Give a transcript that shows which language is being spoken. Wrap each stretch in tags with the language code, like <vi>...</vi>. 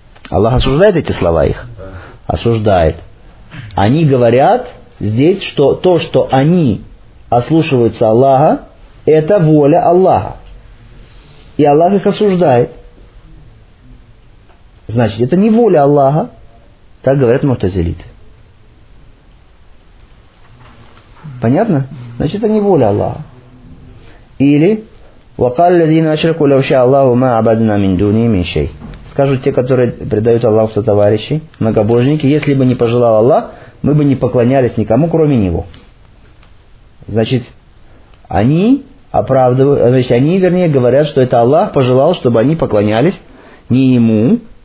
<ru>Аллах осуждает эти слова их? Осуждает. Они говорят здесь, что то, что они ослушиваются Аллаха, это воля Аллаха. И Аллах их осуждает. Значит, это не воля Аллаха, так говорят мутазилиты. Понятно? Значит, это не воля Аллаха.</ru> <ar>Или وقال الذين أشركوا لو شاء الله ما عبدنا من دونه من شيء.</ar> <ru>Скажут те, которые предают Аллаху сотоварищи, многобожники, если бы не пожелал Аллах, мы бы не поклонялись никому, кроме Него. Значит, они оправдывают, значит, они, вернее, говорят, что это Аллах пожелал, чтобы они поклонялись не Ему.</ru>